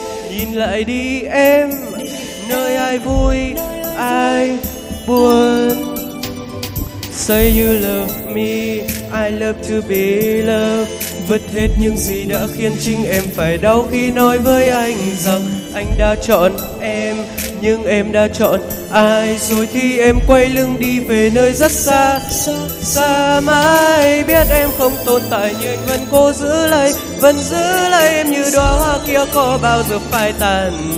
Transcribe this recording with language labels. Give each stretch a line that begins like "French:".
Vietnamese: Nhìn lại đi em, nơi ai vui ai buồn.
English: Say you love me, I love to be loved.
Vietnamese: Vứt hết những gì đã khiến chính em phải đau khi nói với anh rằng anh đã chọn em, nhưng em đã chọn ai. Rồi thì em quay lưng đi về nơi rất xa, xa mãi. Biết em không tồn tại nhưng anh vẫn cố giữ lấy, vẫn giữ lấy em như đóa hoa kia có bao giờ phải tàn.